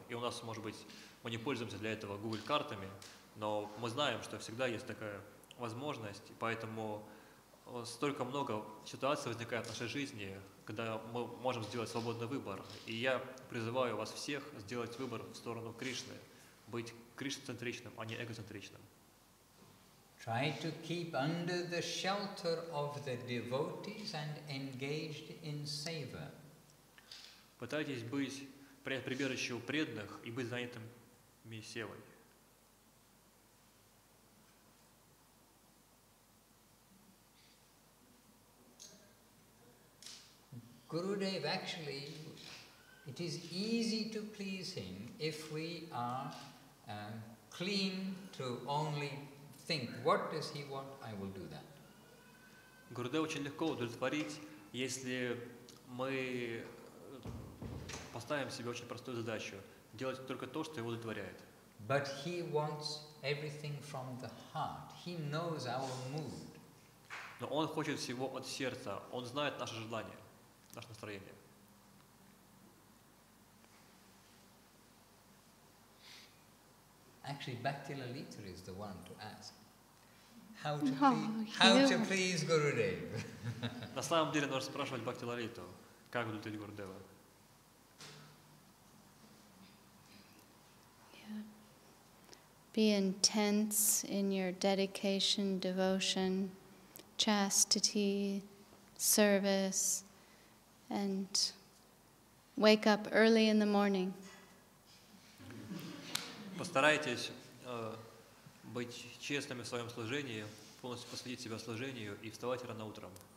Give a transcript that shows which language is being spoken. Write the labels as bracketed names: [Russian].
[Russian] И у нас, может быть, мы не пользуемся для этого Google-картами, но мы знаем, что всегда есть такая возможность, поэтому столько много ситуаций возникает в нашей жизни, когда мы можем сделать свободный выбор. И я призываю вас всех сделать выбор в сторону Кришны, быть Кришна-центричным, а не эгоцентричным. [English] Try to keep under the shelter of the devotees and engaged in seva. [Russian] Пытайтесь быть прибежищем преданных и быть занятым Месевой. [English] Gurudev, actually, it is easy to please him if we are clean to only think, what does he want? I will do that. [Russian] Gurudev очень легко удовлетворить, если мы поставим себе очень простую задачу. Делать только то, что его удовлетворяет. [English] But he wants everything from the heart. He knows our mood. [Russian] Но он хочет всего от сердца. Он знает наше желание, наше настроение. [English] Actually, Bhakti Lalita is the one to ask how to please Gurudev. [Russian] На самом деле, нужно спрашивать Бхакти Лалиту, как удовлетворить Гурудева. [English] Be intense in your dedication, devotion, chastity, service, and wake up early in the morning. [Russian] Постарайтесь быть честными в своем служении, полностью посвятить себя служению и вставать рано утром.